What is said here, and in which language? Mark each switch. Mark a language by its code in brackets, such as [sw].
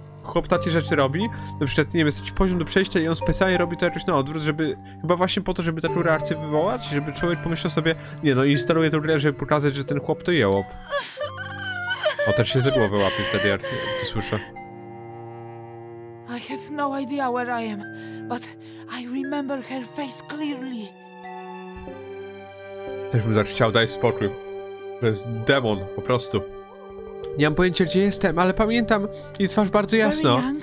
[pl] Chłop takie rzeczy robi, na przykład, nie wiem, jest taki poziom do przejścia i on specjalnie robi to jakoś na odwrót, żeby... chyba właśnie po to, żeby taką reakcję wywołać, żeby człowiek pomyślał sobie: nie no, instaluje tę grę, żeby pokazać, że ten chłop to jełop. O, też się za głowę łapie wtedy, jak to słyszę. [en] I have no idea where I am, but I remember her face clearly. [pl] Też bym tak chciał, daj spokój. To jest demon, po prostu. Nie mam pojęcia, gdzie jestem, ale pamiętam jej twarz bardzo jasno.